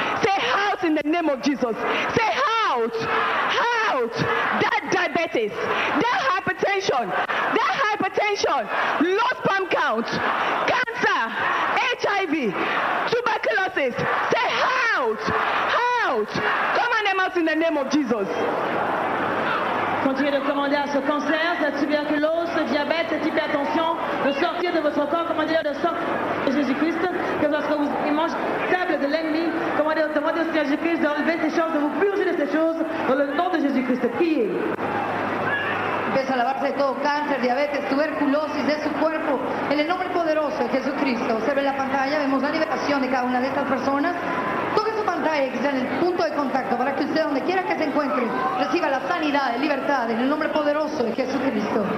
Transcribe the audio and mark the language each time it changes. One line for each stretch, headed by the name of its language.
English: Say out in the name of Jesus. Say out, out that diabetes, that hypertension, lost palm count, cancer, HIV, tuberculosis, say out, out, command them out in the name of Jesus.
French: Continuez de commander à ce cancer, cette tuberculose, ce diabète, cette hypertension, de sortir de votre corps, commandez de sortir de Jésus-Christ, que lorsque vous mangez table de l'ennemi, demandez au Seigneur Jésus-Christ d'enlever ces choses, de vous purger de ces choses, dans le nom de Jésus-Christ, priez.
Spanish: Empieza a lavarse de todo cáncer, diabetes, tuberculosis de su cuerpo en el nombre poderoso de Jesucristo. Observe la pantalla, vemos la liberación de cada una de estas personas. Toque su pantalla que sea en el punto de contacto para que usted, donde quiera que se encuentre, reciba la sanidad y libertad en el nombre poderoso de Jesucristo.